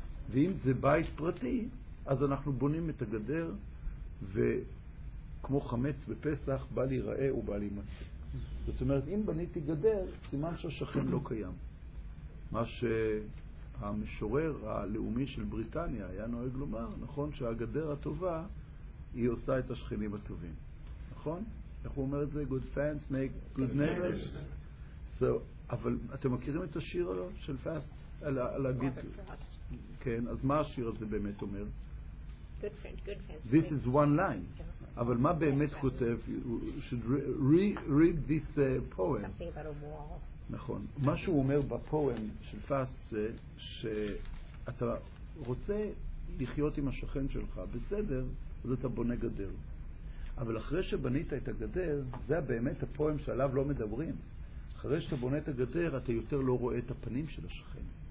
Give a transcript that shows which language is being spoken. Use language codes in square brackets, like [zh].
[he] ואם זה בית פרטי, אז אנחנו בונים את הגדר, וכמו חמץ בפסח, בא להיראה ובא להימצא. זאת אומרת, אם בניתי גדר, סימן שהשכן לא קיים. מה שהמשורר הלאומי של בריטניה היה נוהג לומר, נכון שהגדר הטובה, היא עושה את השכנים הטובים. נכון? איך הוא אומר את זה? [en] Good friends make good neighbors. [he] So, אבל אתם מכירים את השיר הלו של פאסט? על הגיד... כן, אז מה השיר הזה באמת אומר? [en] Good friends. This is one line. Yeah. [he] אבל מה באמת כותב? You should read this poem. [en] Something about a wall. [he] נכון. מה שהוא אומר בפואם של פאסט זה שאתה רוצה לחיות עם השכן שלך, בסדר, אז אתה בונה גדר. אבל אחרי שבנית את הגדר, זה באמת הפואם שעליו לא מדברים. אחרי שאתה בונה את הגדר, אתה יותר לא רואה את הפנים של השכן.